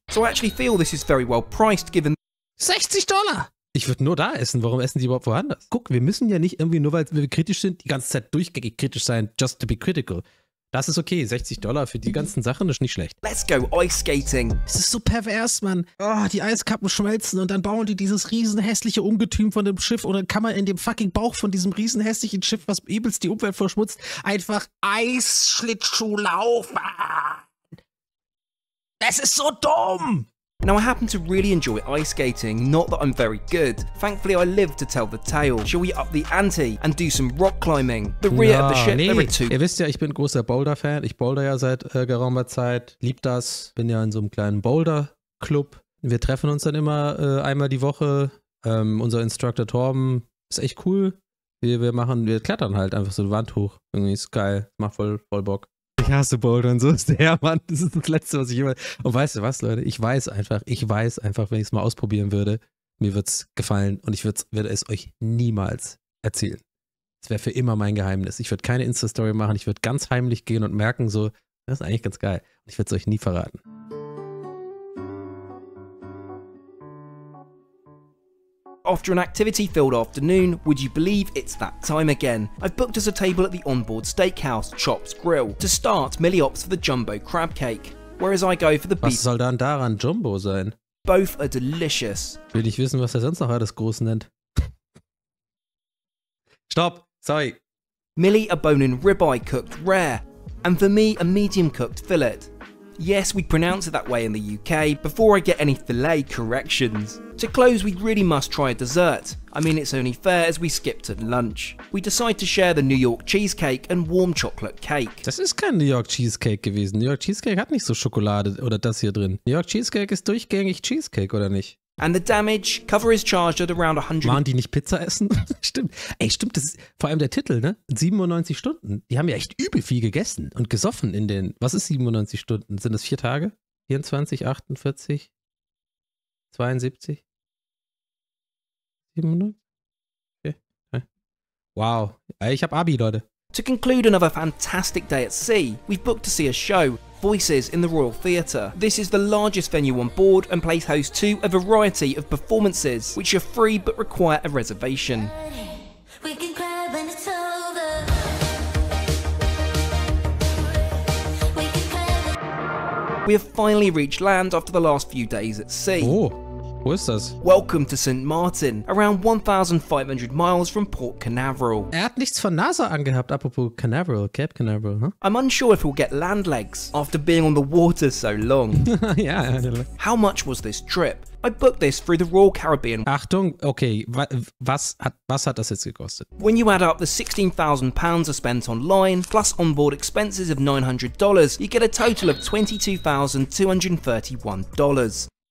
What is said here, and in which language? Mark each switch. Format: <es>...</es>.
<en>So I actually feel this is very well priced given...</en> <de>$60! Ich würde nur da essen. Warum essen die überhaupt woanders? Guck, wir müssen ja nicht irgendwie, nur weil wir kritisch sind, die ganze Zeit durchgängig kritisch sein,</de> <en>just to be critical.</en> <de>Das ist okay, $60 für die ganzen Sachen ist nicht schlecht.</de> <en>Let's go ice skating.</en> <de>Es ist so pervers, Mann. Oh, die Eiskappen schmelzen und dann bauen die dieses riesen hässliche Ungetüm von dem Schiff und dann kann man in dem fucking Bauch von diesem riesen hässlichen Schiff, was übelst die Umwelt verschmutzt, einfach Eisschlittschuh laufen. Das ist so dumm.</de> <en>Now, I happen to really enjoy ice skating, not that I'm very good. Thankfully, I live to tell the tale. Shall we up the ante and do some rock climbing? The rear of the ship, there are two.</en> <de>Ihr wisst ja, ich bin großer Boulder-Fan. Ich boulder ja seit geraumer Zeit. Lieb das. Bin ja in so einem kleinen Boulder-Club. Wir treffen uns dann immer einmal die Woche. Unser Instructor Torben ist echt cool. Wir klettern halt einfach so die Wand hoch. Irgendwie ist geil. Macht voll Bock. Ich hasse Bouldern, so ist der Mann. Das ist das Letzte, was ich immer... Und weißt du was, Leute? Ich weiß einfach, wenn ich es mal ausprobieren würde, mir wird es gefallen und ich würde es euch niemals erzählen. Es wäre für immer mein Geheimnis. Ich würde keine Insta-Story machen, ich würde ganz heimlich gehen und merken so, das ist eigentlich ganz geil. Und ich würde es euch nie verraten.</de> <en>After an activity-filled afternoon, would you believe it's that time again? I've booked us a table at the onboard steakhouse, Chops Grill. To start, Millie opts for the jumbo crab cake, whereas I go for the</en> <de>beef. Was soll dann daran jumbo sein?</de> <en>Both are delicious.</en> <de>Will ich wissen, was er sonst noch alles groß nennt? Stopp, sorry.</de> <en>Millie a bone-in ribeye cooked rare, and for me a medium-cooked fillet. Yes, we pronounce it that way in the UK, before I get any fillet corrections. To close, we really must try a dessert. I mean, it's only fair as we skipped at lunch. We decide to share the New York cheesecake and warm chocolate cake.</en> <de>Das ist kein New York Cheesecake gewesen. New York Cheesecake hat nicht so Schokolade oder das hier drin. New York Cheesecake ist durchgängig Cheesecake, oder nicht?</de> <en>And the damage, cover is charged at around 100...</en> <de>Waren die nicht Pizza essen? Stimmt. Ey, stimmt, das ist vor allem der Titel, ne? 97 Stunden. Die haben ja echt übel viel gegessen und gesoffen in den... Was ist 97 Stunden? Sind das 4 Tage? 24, 48, 72, 97? Okay. Wow. Ey, ich hab Abi, Leute.</de> <en>To conclude another fantastic day at sea, we've booked to see a show, Voices in the Royal Theatre. This is the largest venue on board and plays host to a variety of performances, which are free but require a reservation. We can cry when it's over. We can cry when... We have finally reached land after the last few days at sea.</en> <de>Oh. Wo ist das?</de> <en>Welcome to St. Martin, around 1,500 miles from Port Canaveral.</en> <de>Er hat nichts von NASA angehabt, apropos Canaveral, Cape Canaveral, huh?</de> <en>I'm unsure if we'll get land legs after being on the water so long. Yeah, I don't know. How much was this trip? I booked this through the Royal Caribbean.</en> <de>Achtung, okay, was hat das jetzt gekostet?</de> <en>When you add up the £16,000 I spent online, plus onboard expenses of $900, you get a total of $22,231.</en>